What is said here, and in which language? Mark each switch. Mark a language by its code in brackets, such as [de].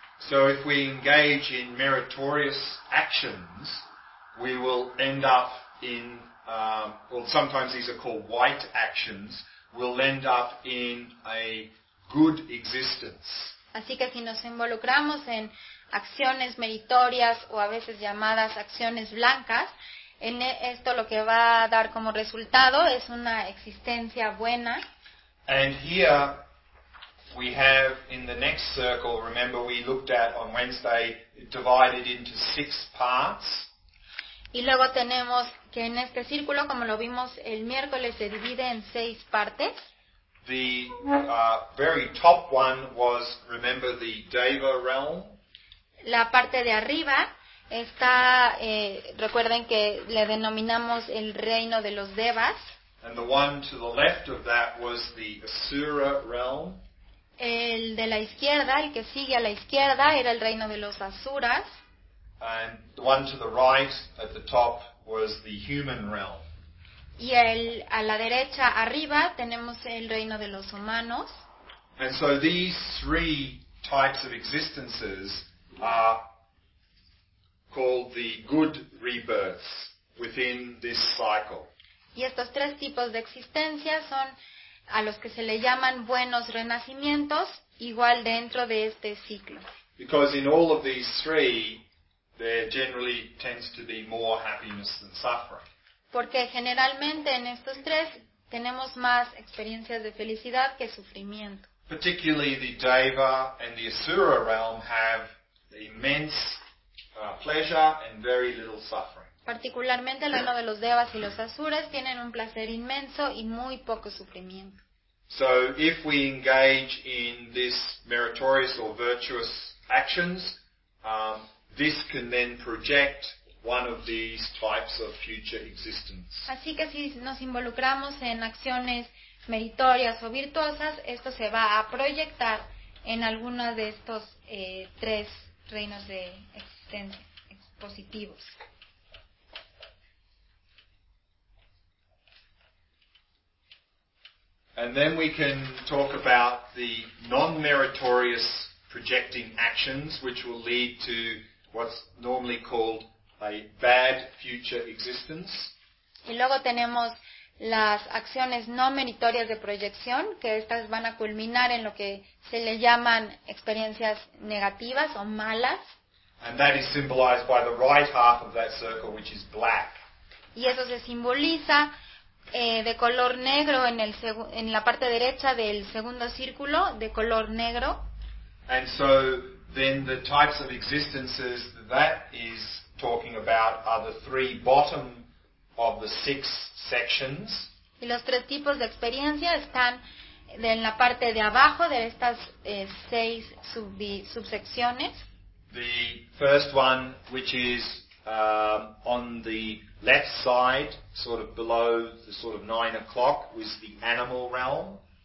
[en] So if we engage in meritorious actions, we will end up in sometimes these are called white actions, we'll end up in a good existence. [es] Así que si nos involucramos en acciones meritorias o a veces llamadas acciones blancas, en esto lo que va a dar como resultado es una existencia buena. [en] And here we have in the next circle, remember we looked at on Wednesday, divided into six parts. [es] Y luego tenemos que en este círculo, como lo vimos el miércoles, se divide en seis partes. [en] The very top one was, remember, the Deva realm. [es] La parte de arriba está, recuerden que le denominamos el reino de los Devas. [en] And the one to the left of that was the Asura realm. [es] El de la izquierda, el que sigue a la izquierda, era el reino de los Asuras. [en] And the one to the right at the top was the human realm. [es] Y el, a la derecha, arriba, tenemos el reino de los humanos. [en] And so these three types of existences are called the good rebirths within this cycle. [es] Y estos tres tipos de existencia son a los que se le llaman buenos renacimientos, igual dentro de este ciclo. [en] Because in all of these three, there generally tends to be more happiness than suffering. [es] Porque generalmente en estos tres tenemos más experiencias de felicidad que sufrimiento. [en] Particularly the Deva and the Asura realm have immense pleasure and very little suffering. [es] Particularmente el reino de los Devas y los Asuras tienen un placer inmenso y muy poco sufrimiento. [en] So if we engage in this meritorious or virtuous actions, this can then project one of these types of future existence. [es] Así que si nos involucramos en acciones meritorias o virtuosas, esto se va a proyectar en alguna de estos tres reinos de existencia positivos. [en] And then we can talk about the non-meritorious projecting actions, which will lead to what's normally called a bad future existence. [es] Y luego tenemos las acciones no meritorias de proyección, que estas van a culminar en lo que se le llaman experiencias negativas o malas. [en] And that is symbolized by the right half of that circle, which is black. [es] Y eso se simboliza de color negro en el en la parte derecha del segundo círculo, de color negro. [en] And so then the types of existences that is talking about are the three bottom of the six sections. [es] Y los tres tipos de experiencia están en la parte de abajo de estas seis subsecciones. [en] The first one, which is on the left side, sort of below the sort of 9 o'clock, was the animal realm.